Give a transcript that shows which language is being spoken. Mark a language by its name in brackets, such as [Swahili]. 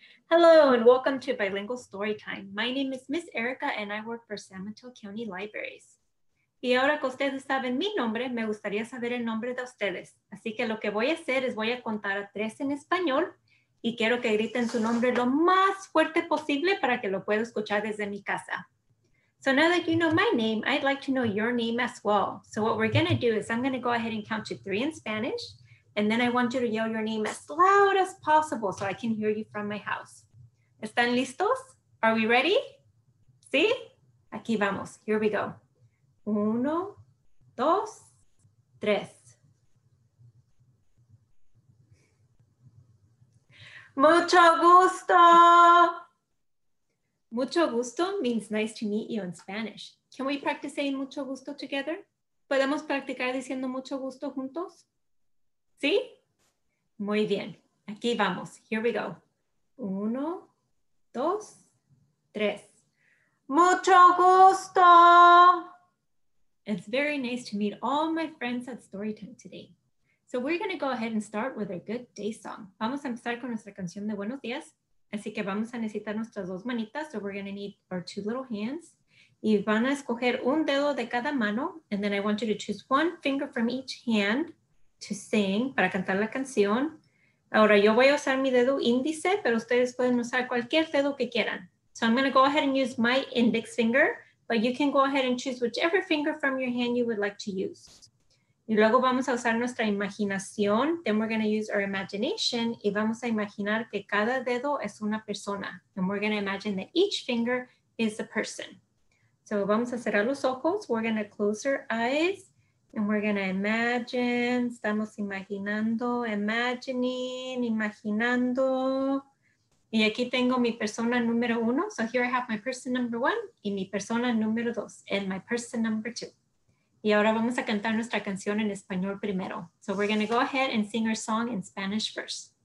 [English] Hello and welcome to Bilingual Storytime. My name is Miss Erica and I work for San Mateo County Libraries. [Spanish] Y ahora que ustedes saben mi nombre, me gustaría saber el nombre de ustedes. Así que lo que voy a hacer es voy a contar a tres en español y quiero que griten su nombre lo más fuerte posible para que lo pueda escuchar desde mi casa. [English] So now that you know my name, I'd like to know your name as well. So what we're going to do is I'm going to go ahead and count to three in Spanish. And then I want you to yell your name as loud as possible so I can hear you from my house. [Spanish] ¿Están listos? [English] Are we ready? [Spanish] ¿Sí? Aquí vamos. [English] Here we go. [Spanish] Uno, dos, tres. Mucho gusto. [English] Mucho gusto means nice to meet you in Spanish. Can we practice saying mucho gusto together? [Spanish] ¿Podemos practicar diciendo mucho gusto juntos? ¿Sí? Muy bien. Aquí vamos. [English] Here we go. [Spanish] Uno, dos, tres. Mucho gusto. [English] It's very nice to meet all my friends at Storytime today. So we're going to go ahead and start with a good day song. [Spanish] Vamos a empezar con nuestra canción de buenos días. Así que vamos a necesitar nuestras dos manitas. [English] So we're going to need our two little hands. [Spanish] Y van a escoger un dedo de cada mano. [English] And then I want you to choose one finger from each hand to sing, [Spanish] para cantar la canción. Ahora yo voy a usar mi dedo índice, pero ustedes pueden usar cualquier dedo que quieran. [English] So I'm going to go ahead and use my index finger, but you can go ahead and choose whichever finger from your hand you would like to use. [Spanish] Y luego vamos a usar nuestra imaginación. [English] Then we're going to use our imagination [Spanish] y vamos a imaginar que cada dedo es una persona. [English] And we're going to imagine that each finger is a person. So [Spanish] vamos a cerrar los ojos. [English] We're going to close our eyes and we're going to imagine. [Spanish] Estamos imaginando, [English] imagining, [Spanish] imaginando. Y aquí tengo mi persona número uno. [English] So here I have my person number one [Spanish] y mi persona número dos [English] and my person number two. [Spanish] Y ahora vamos a cantar nuestra canción en español primero. [English] So we're going to go ahead and sing our song in Spanish first.